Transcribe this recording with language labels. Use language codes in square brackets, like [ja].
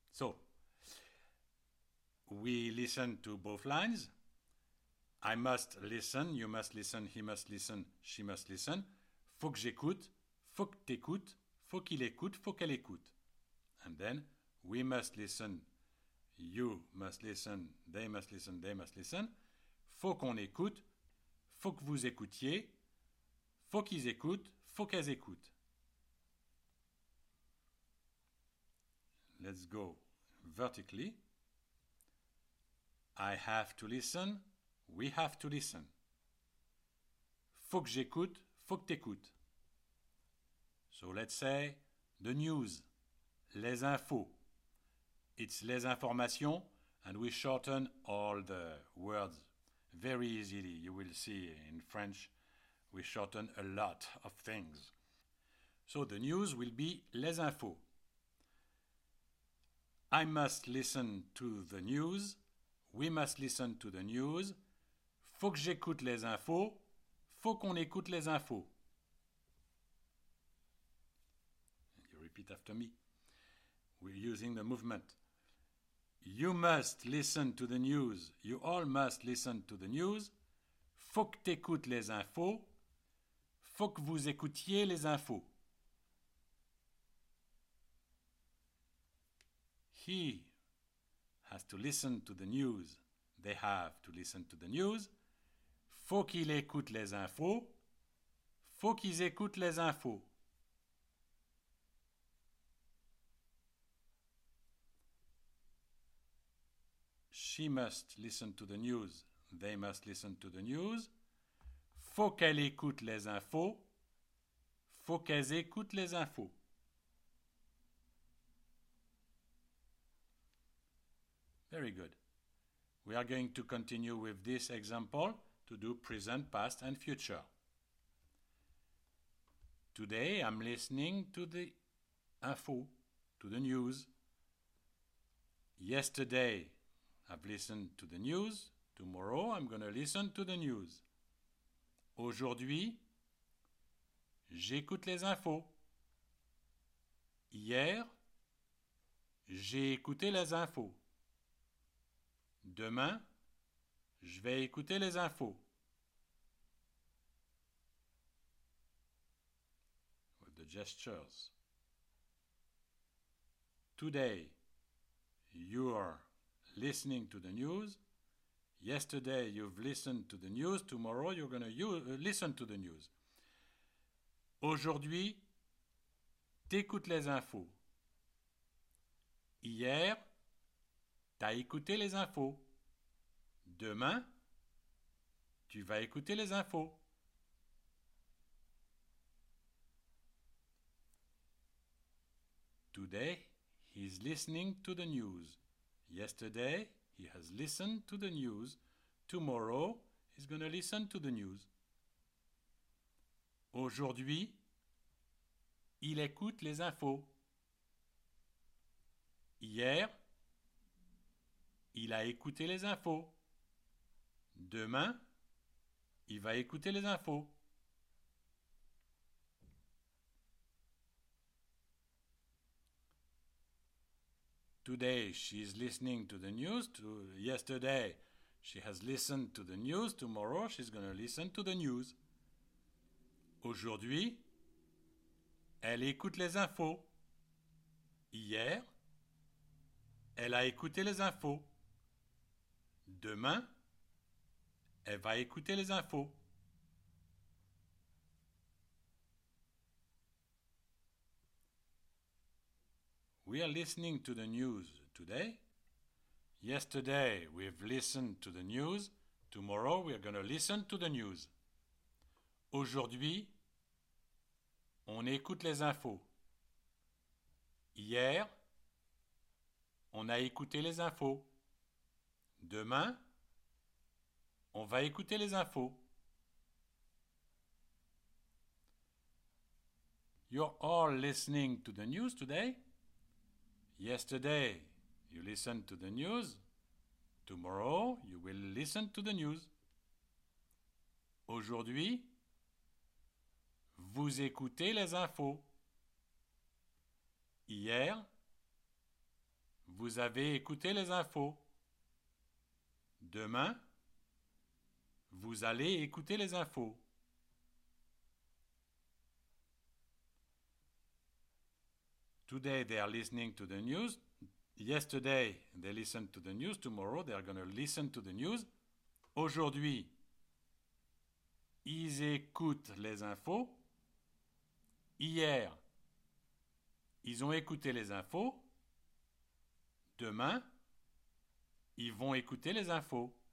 [en] So, we listen to both lines. I must listen, you must listen, he must listen, she must listen. [fr] Faut que j'écoute, faut que t'écoutes, faut qu'il écoute, faut qu'elle écoute. [en] And then, we must listen, you must listen, they must listen, they must listen. [fr] Faut qu'on écoute, faut que vous écoutiez, faut qu'ils écoutent, faut qu'elles écoutent. [en] Let's go vertically. I have to listen, we have to listen. [fr] Faut que j'écoute, faut que t'écoutes. [en] So let's say the news, [fr] les infos. [en] It's [fr] les informations, [en] and we shorten all the words very easily. You will see in French, we shorten a lot of things. So the news will be [fr] les infos. [en] I must listen to the news. We must listen to the news. [fr] Faut que j'écoute les infos. Faut qu'on écoute les infos. [en] And you repeat after me. We're using the movement. You must listen to the news. You all must listen to the news. [fr] Faut que t'écoutes les infos. Faut que vous écoutiez les infos. [en] He has to listen to the news. They have to listen to the news. [fr] Faut qu'il écoute les infos. Faut qu'ils écoutent les infos. [en] She must listen to the news. They must listen to the news. [fr] Faut qu'elle écoute les infos. Faut qu'elles écoutent les infos. [en] Very good. We are going to continue with this example to do present, past, and future. Today I'm listening to the info, to the news. Yesterday I've listened to the news. Tomorrow I'm going to listen to the news. [fr] Aujourd'hui, j'écoute les infos. Hier, j'ai écouté les infos. Demain, je vais écouter les infos. [en] With the gestures. Today, you are listening to the news. Yesterday, you've listened to the news. Tomorrow, you're going to listen to the news. [fr] Aujourd'hui, t'écoutes les infos. Hier, t'as écouté les infos. Demain, tu vas écouter les infos. [en] Today, he's listening to the news. Yesterday, he has listened to the news. Tomorrow, he's going to listen to the news. [fr] Aujourd'hui, il écoute les infos. Hier, il a écouté les infos. Demain, il va écouter les infos. [en] Today she's listening to the news. Yesterday she has listened to the news. Tomorrow she's going to listen to the news. [fr] Aujourd'hui, elle écoute les infos. Hier, elle a écouté les infos. Demain, elle va écouter les infos. [en] We are listening to the news today. Yesterday we've listened to the news. Tomorrow we are going to listen to the news. [fr] Aujourd'hui, on écoute les infos. Hier, on a écouté les infos. Demain, on va écouter les infos. [en] You're all listening to the news today. Yesterday, you listened to the news. Tomorrow, you will listen to the news. [fr] Aujourd'hui, vous écoutez les infos. Hier, vous avez écouté les infos. Demain, vous allez écouter les infos. [en] Today they are listening to the news. Yesterday they listened to the news. Tomorrow they are going to listen to the news. [fr] Aujourd'hui, ils écoutent les infos. Hier, ils ont écouté les infos. Demain, ils vont écouter les infos.